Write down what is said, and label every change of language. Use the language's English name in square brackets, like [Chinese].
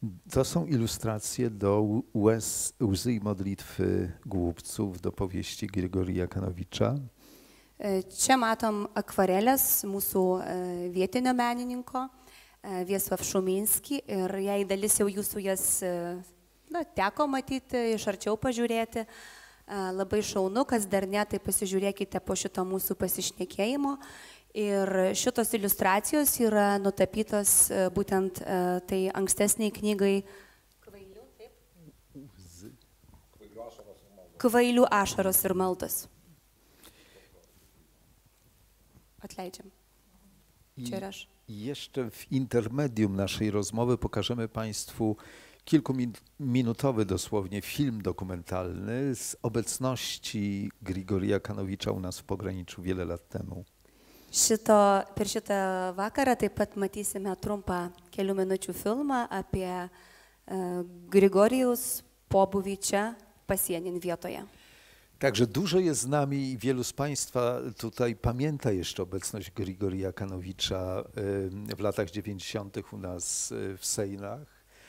[Polish] To są ilustracje do Łzy i modlitwy głupców, do powieści Grigorija Kanowicza. [Lithuanian] Čia matom akvarelės mūsų vietinio menininko, Viesław Šuminski, ir jei dalis jau jūsų jas teko matyti, iš arčiau pažiūrėti, labai šaunu, kas dar ne, tai pasižiūrėkite po šito mūsų pasišnekėjimo. Ir šitos iliustracijos yra nutapytos būtent tai ankstesniai knygai Kvailių ašaros ir maldos. Odleidziem. Czeraż. [Polish] Jeszcze w intermedium naszej rozmowy pokażemy Państwu kilkuminutowy dosłownie film dokumentalny z obecności Grigorija Kanowicza u nas w pograniczu wiele lat temu. [Lithuanian] Šito, per šitą vakarą taip pat matysime trumpą kelių minučių filmą apie Grigorijaus pobuvi čia pasienin vietoje. [Polish] Także dużo jest z nami i wielu z Państwa tutaj pamięta jeszcze obecność Grigorija Kanowicza w latach 90. u nas w Sejnach.